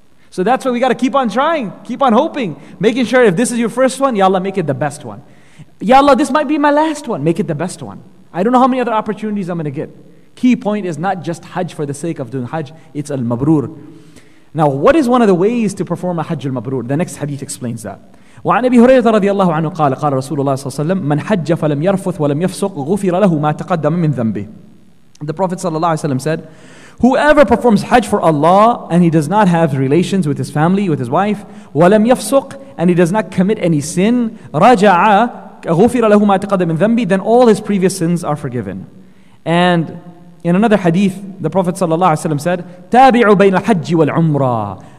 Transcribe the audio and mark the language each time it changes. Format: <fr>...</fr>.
<en>So that's why we got to keep on trying, keep on hoping, making sure if this is your first one, Ya Allah, make it the best one. Ya Allah, this might be my last one. Make it the best one. I don't know how many other opportunities I'm going to get. Key point is not just Hajj for the sake of doing Hajj. It's Al-Mabrur. Now, what is one of the ways to perform a Hajj Al-Mabrur? The next hadith explains that.</en> <ar>وعن أبي هريرة رضي الله عنه قال قال رسول الله صلى الله عليه وسلم من حج فلم يرفث ولم يفسق غفر له ما تقدم من ذنبه.</ar> <en>The Prophet ﷺ said, whoever performs Hajj for Allah and he does not have relations with his family, with his wife,</en> <ar>وَلَمْ يَفْسُقْ,</ar> <en>and he does not commit any sin,</en> <ar>رَجَعَ غُفِرَ لَهُ مَا تَقَدَّ مِنْ ذَنْبِ,</ar> <en>then all his previous sins are forgiven. And in another hadith, the Prophet ﷺ said,</en> <ar>تَابِعُ بَيْنَ الْحَجِّ وَالْعُمْرَةِ.</ar>